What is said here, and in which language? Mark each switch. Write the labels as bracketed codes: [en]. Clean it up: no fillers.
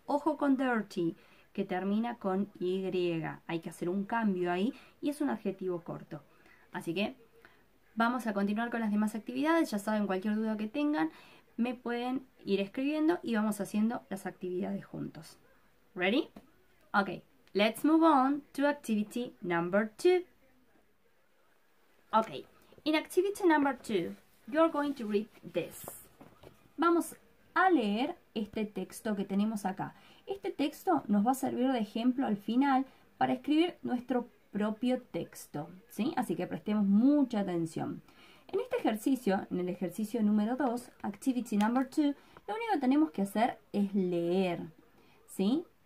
[es] Ojo con dirty, que termina con Y. Hay que hacer un cambio ahí y es un adjetivo corto. Así que vamos a continuar con las demás actividades. Ya saben, cualquier duda que tengan, me pueden ir escribiendo y vamos haciendo las actividades juntos. [en] Ready? Ok, let's move on to activity number two. Ok, in activity number two, you're going to read this. [es] Vamos a leer este texto que tenemos acá. Este texto nos va a servir de ejemplo al final para escribir nuestro propio texto, ¿sí? Así que prestemos mucha atención. En este ejercicio, en el ejercicio número 2, [en] activity number 2, [es] lo único que tenemos que hacer es leer, ¿sí?